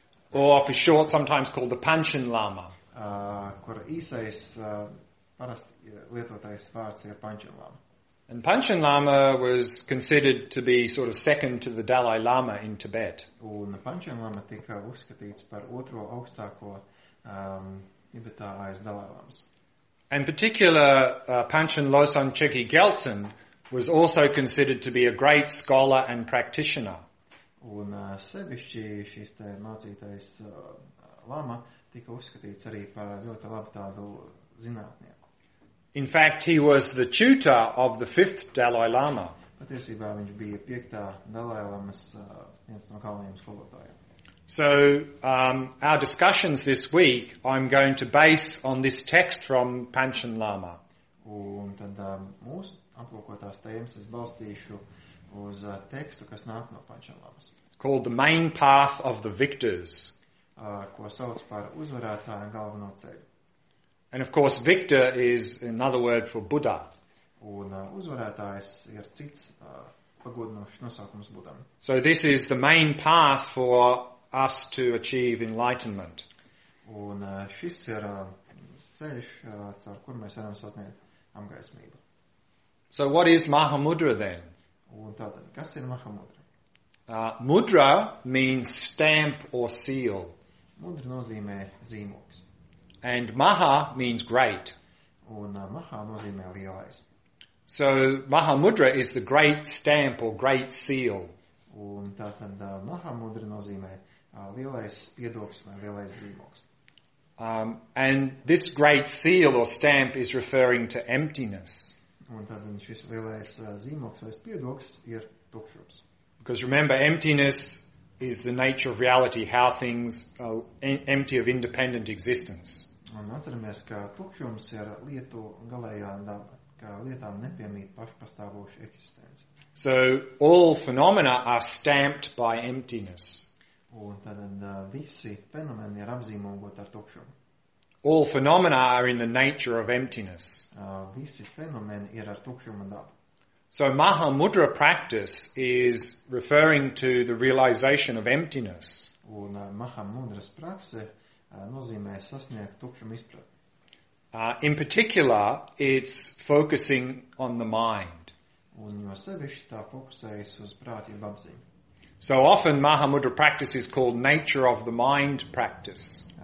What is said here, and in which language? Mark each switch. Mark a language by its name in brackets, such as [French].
[English] Or for short, sometimes called the Panchen Lama. [Latvian] Kur īsais parasti lietotais vārds ir Panchen Lama. [English] And Panchen Lama was considered to be sort of second to the Dalai Lama in Tibet. [Latvian] Un Panchen Lama tika uzskatīts par otro augstāko Tibetā aiz Dalai Lamas. [English] And particular Panchen Losang Chögyi Geltsen was also considered to be a great scholar and practitioner. [Latvian] Un sevišķi šis te mācītais Lama tika uzskatīts arī par ļoti labu tādu zinātnieku. [English] In fact, he was the tutor of the fifth Dalai Lama. [Latvian] Patiesībā viņš bija piektā Dalai Lamas viens no galvenajiem skolotājiem. [English] So our discussions this week I'm going to base on this text from Panchen Lama. [Latvian] Un tad mūsu aplūkotās tēmas es balstīšu uz tekstu, kas nāk no Panchen Lamas. [English] Called the main path of the victors. [Latvian] Ko sauc par uzvarētāju galveno ceļu. [English] And of course victor is another word for Buddha. [Latvian] Un uzvarētājs ir cits pagodinošs nosaukums Budam. [English] So this is the main path for us to achieve enlightenment. [Latvian] Un šis ir ceļš, caur kur mēs varam sasniegt apgaismību. [English] So what is Mahamudra then? [Latvian] Un tātad, kas ir Mahamudra? [English] Mudra means stamp or seal. [Latvian] Mudra nozīmē zīmogs. [English] And Maha means great. [Latvian] Un Maha nozīmē lielais. [English] So Mahamudra is the great stamp or great seal. [Latvian] Un tātad Mahamudra nozīmē lielais spiedoks vai lielais zīmogs. [English] And this great seal or stamp is referring to emptiness. [Latvian] Un tātad šis lielais zīmogs vai spiedoks ir tukšums. [English] Because remember, emptiness is the nature of reality, how things are empty of independent existence. [Latvian] Un atceramies, ka tukšums ir lietu galējā daba, ka lietām nepiemīt pašpastāvošu eksistenci. [English] So all phenomena are stamped by emptiness. [Latvian] Un tātad visi fenomeni ir apzīmogoti ar tukšumu. [English] All phenomena are in the nature of emptiness. [Latvian] Visi fenomeni ir ar tukšuma dabu. [English] So Mahamudra practice is referring to the realization of emptiness. [Latvian] Un Mahamudras prakse nozīmē sasniegt tukšuma izpratni. [English] In particular, it's focusing on the mind. [Latvian] Un jo sevišķi tā fokusējas uz prāti un apziņu. [English] So often Mahamudra practice is called nature of the mind practice.